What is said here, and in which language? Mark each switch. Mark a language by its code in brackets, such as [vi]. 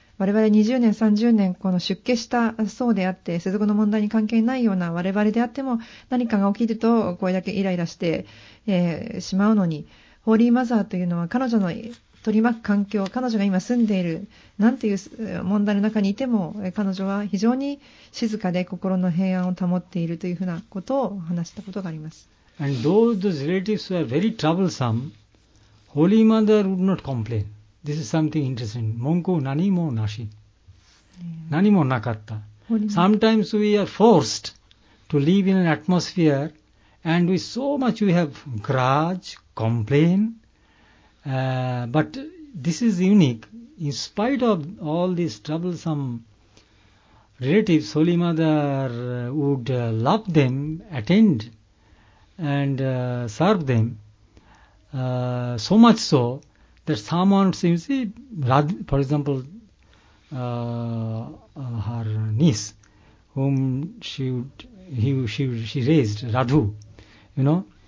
[ja] 我々20年30年この出家したそうであって世俗の問題に関係ないような我々であっても何かが起きるとこれだけイライラして、しまうのに、ホーリーマザーというのは彼女の取り巻く環境、彼女が今住んでいるなんていう問題の中にいても彼女は非常に静かで心の平安を保っているというふうなことを話したことがあります。 [en] And though those relatives were very troublesome, Holy Mother would not complain. This is something interesting. [ja] 文句何もなし、何もなかった。 [en] Sometimes we are forced to live in an atmosphere and we so much we have grudge, complain, but this is unique. In spite of all these troublesome relatives, Holy Mother would love them, attend and serve them so much so that someone seems, for example, her niece whom she raised, Radhu, you know.